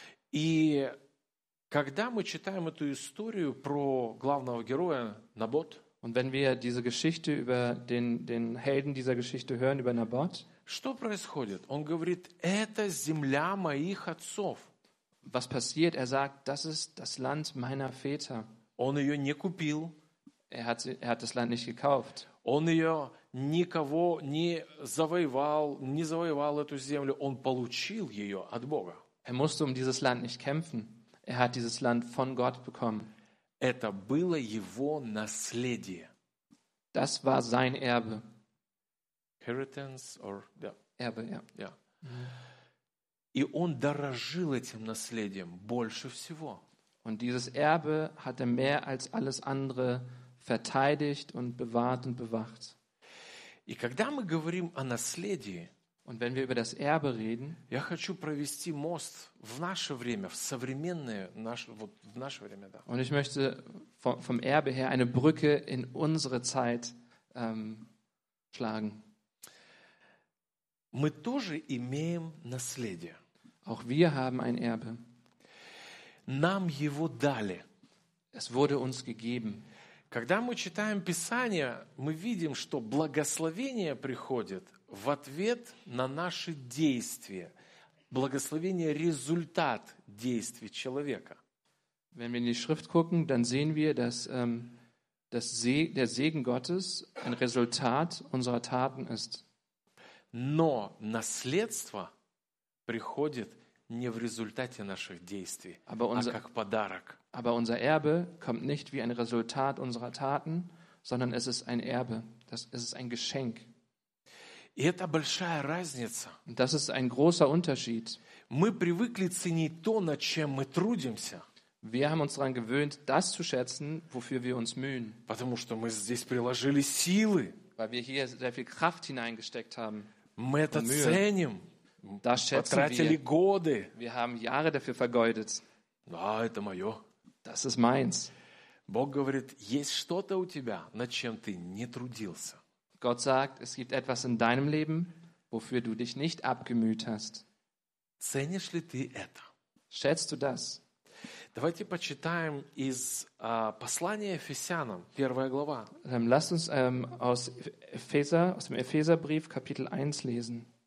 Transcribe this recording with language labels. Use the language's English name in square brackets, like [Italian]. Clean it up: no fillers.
[Russian] И когда мы читаем эту историю про главного героя Набот, [German] und wenn wir diese Geschichte über den Helden dieser Geschichte hören, über Nabot, [Russian] что происходит? Он говорит, это земля моих отцов. [German] Was passiert? Er sagt, das ist das Land meiner Väter. [Russian] Он ее не купил. [German] Er hat das Land nicht gekauft. [Russian] Он ее никого не завоевал, не завоевал эту землю. Он получил ее от Бога. [German] Er musste um dieses Land nicht kämpfen. Er hat dieses Land von Gott bekommen. [Russian] Это было его наследие. [German] Das war sein Erbe. [English] Inheritance or yeah. [German] Erbe, ja. [English] Yeah. [Russian] И он дорожил этим наследием больше всего. [German] Und dieses Erbe hat er mehr als alles andere verteidigt und bewahrt und bewacht. [Russian] И когда мы говорим о наследии, [German] und wenn wir über das Erbe reden, [Russian] я хочу провести мост в наше время, в современное наше, вот в наше время, да. [German] Und ich möchte vom Erbe her eine Brücke in unsere Zeit schlagen. [Russian] Мы тоже имеем наследие. [German] Auch wir haben ein Erbe. [Russian] Нам его дали. [German] Es wurde uns gegeben. [Russian] Когда мы читаем Писание, мы видим, что благословение приходит в ответ на наши действия. Благословение – результат действий человека. [German] Wenn wir in die Schrift gucken, dann sehen wir, dass der Segen Gottes ein Resultat unserer Taten ist. [Russian] Но наследство приходит не в результате наших действий, а как подарок. [German] Aber unser Erbe kommt nicht wie ein Resultat unserer Taten, sondern es ist ein Erbe, es ist ein Geschenk. [Russian] И это большая разница. [German] Und das ist ein großer Unterschied. [Russian] Мы привыкли ценить то, над чем мы трудимся. [German] Wir haben uns daran gewöhnt, das zu schätzen, wofür wir uns mühen. [Russian] Потому что мы здесь приложили силы. [German] Weil wir hier sehr viel Kraft hineingesteckt haben. [Russian] Мы это ценим. [German] Das schätzen wir. [Russian] Потратили годы. [German] Wir haben Jahre dafür vergeudet. [Russian] Да, это мое. [German] Das ist meins. [Russian] Бог говорит, есть что-то у тебя, над чем ты не трудился. [German] Gott sagt, es gibt etwas in deinem Leben, wofür du dich nicht abgemüht hast. [Russian] Ценишь ли ты это? [German] Schätzt du das? [Russian] Давайте почитаем из послания Ефесянам, первая глава. [German] Lasst uns aus dem Epheserbrief, Kapitel 1 lesen.